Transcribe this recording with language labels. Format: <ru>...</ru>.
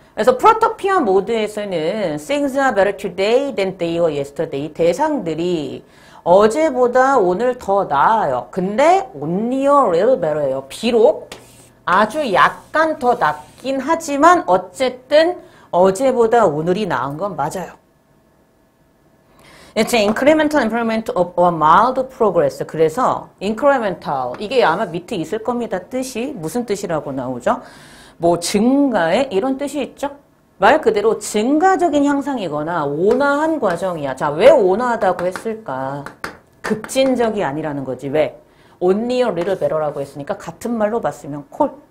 <ko>그래서 프로토피아 모드에서는</ko> <en>things are better today than they were yesterday.</en> <ko>대상들이 어제보다 오늘 더 나아요. 근데</ko> <en>only a little better예요.</en> <ko>비록 아주 약간 더 낫긴 하지만 어쨌든 어제보다 오늘이 나은 건 맞아요.</ko> <en>It's an incremental improvement of a mild progress.</en> <ko>그래서 incremental 이게 아마 밑에 있을 겁니다. 뜻이 무슨 뜻이라고 나오죠? 뭐 증가의 이런 뜻이 있죠? 말 그대로 증가적인 향상이거나 온화한 과정이야. 자, 왜 온화하다고 했을까? 급진적이 아니라는 거지. 왜?</ko> <en>Only a little better</en> <ko>라고 했으니까 같은 말로 봤으면 콜.</ko>